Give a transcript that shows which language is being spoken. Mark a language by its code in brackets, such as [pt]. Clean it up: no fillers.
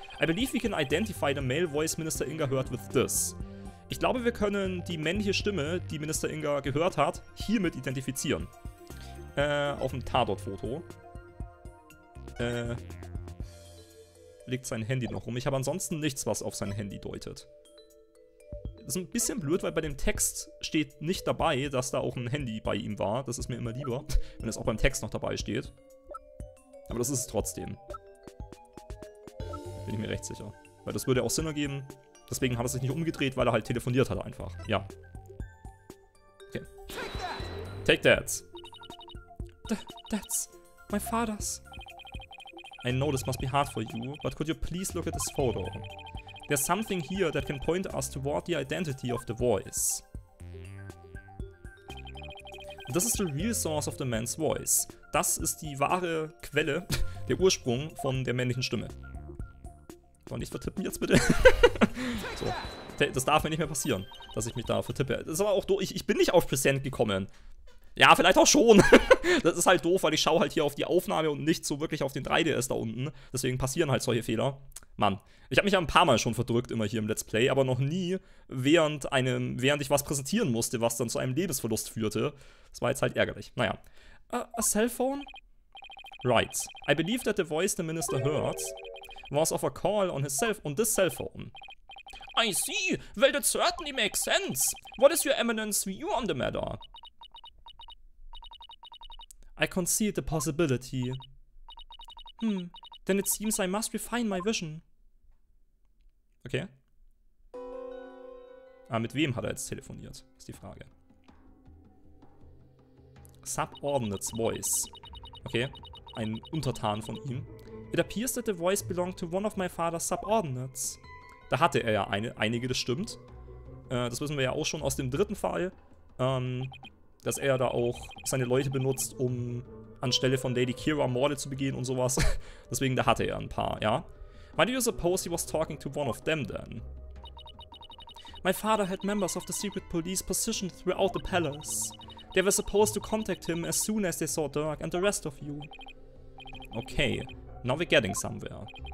[en] I believe we can identify the male voice Minister Inga heard with this. [de] Ich glaube, wir können die männliche Stimme, die Minister Inga gehört hat, hiermit identifizieren. Auf dem Tatort-Foto. Liegt sein Handy noch rum. Ich habe ansonsten nichts, was auf sein Handy deutet. Das ist ein bisschen blöd, weil bei dem Text steht nicht dabei, dass da auch ein Handy bei ihm war. Das ist mir immer lieber, wenn es auch beim Text noch dabei steht. Aber das ist es trotzdem. Bin ich mir recht sicher. Weil das würde auch Sinn ergeben. Deswegen hat er sich nicht umgedreht, weil er halt telefoniert hat einfach. Ja. Okay. [en] Take that! That's my father's. I know this must be hard for you, but could you please look at this photo? There's something here that can point us toward the identity of the voice. This is the real source of the man's voice. [de] Das ist die wahre Quelle, der Ursprung von der männlichen Stimme. Soll ich vertippen jetzt bitte? So. Das darf mir nicht mehr passieren, dass ich mich da vertippe. Das ist aber auch doof. Ich bin nicht auf Present gekommen. Ja, vielleicht auch schon. Das ist halt doof, weil ich schaue halt hier auf die Aufnahme und nicht so wirklich auf den 3DS da unten. Deswegen passieren halt solche Fehler. Mann, ich habe mich ja ein paar Mal schon verdrückt immer hier im Let's Play, aber noch nie während ich was präsentieren musste, was dann zu einem Lebensverlust führte. Das war jetzt halt ärgerlich. Naja. [en] A cell phone? Right. I believe that the voice the minister heard was of a call on his cell on this cell phone. I see. Well, that certainly makes sense. What is your eminence view on the matter? I concede the possibility. Then it seems I must refine my vision. Okay. [de] Ah, mit wem hat er jetzt telefoniert? Ist die Frage. [en] Subordinate's voice. [de] Okay. Ein Untertan von ihm. [en] It appears that the voice belonged to one of my father's subordinates. [de] Da hatte er ja einige, das stimmt. Das wissen wir ja auch schon aus dem dritten Fall. Dass er da auch seine Leute benutzt, um anstelle von Lady Kira Morde zu begehen und sowas. Deswegen, da hatte er ein paar, ja. [en] Why do you suppose he was talking to one of them then? My father had members of the secret police positioned throughout the palace. They were supposed to contact him as soon as they saw Dirk and the rest of you. Okay, now we're getting somewhere.